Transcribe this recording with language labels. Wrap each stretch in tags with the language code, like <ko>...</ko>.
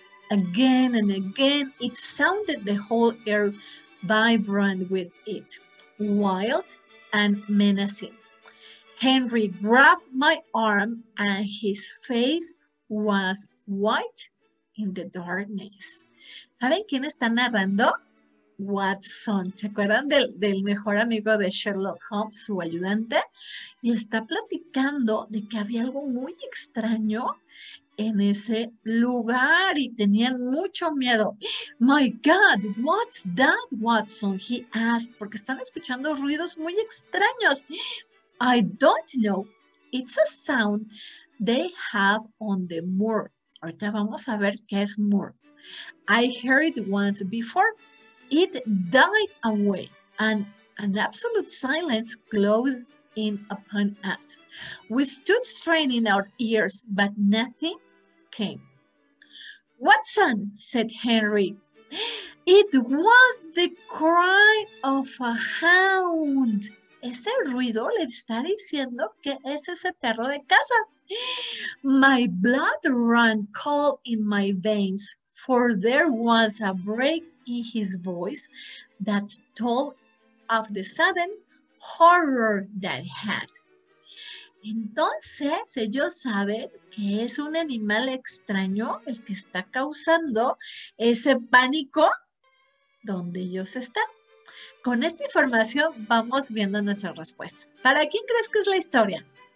<en>Again and again it sounded, the whole air vibrant with it, wild and menacing. Henry grabbed my arm and his face was white in the darkness.</en> <es>¿Saben quién está narrando? Watson. ¿Se acuerdan del mejor amigo de Sherlock Holmes, su ayudante? Y está platicando de que había algo muy extraño en ese lugar y tenían mucho miedo.</es> <en>My God, what's that, Watson? He asked,</en> <es>porque están escuchando ruidos muy extraños.</es> <en>I don't know. It's a sound they have on the moor.</en> <es>Ahorita vamos a ver qué es moor.</es> <en>I heard it once before. It died away and an absolute silence closed in upon us. We stood straining our ears, but nothing came. Watson, said Henry, it was the cry of a hound.</en> <es>Ese ruido le está diciendo que es ese perro de casa.</es> <en>My blood ran cold in my veins, for there was a break in his voice that told of the sudden horror that had.</en> <es>Entonces, ellos saben que es un animal extraño el que está causando ese pánico donde ellos están. Con esta información vamos viendo nuestra respuesta. ¿Para quién crees que es la historia?</es>